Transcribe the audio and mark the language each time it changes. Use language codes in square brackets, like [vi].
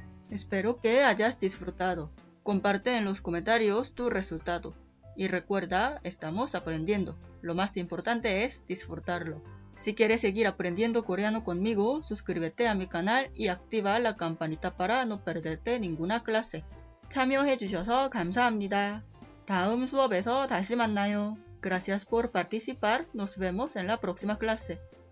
[es] Espero que hayas disfrutado. Comparte en los comentarios tu resultado. Y recuerda, estamos aprendiendo. Lo más importante es disfrutarlo. Si quieres seguir aprendiendo coreano conmigo, suscríbete a mi canal y activa la campanita para no perderte ninguna clase. [ko] 참여해주셔서 감사합니다. 다음 수업에서 다시 만나요. [es] Gracias por participar. Nos vemos en la próxima clase.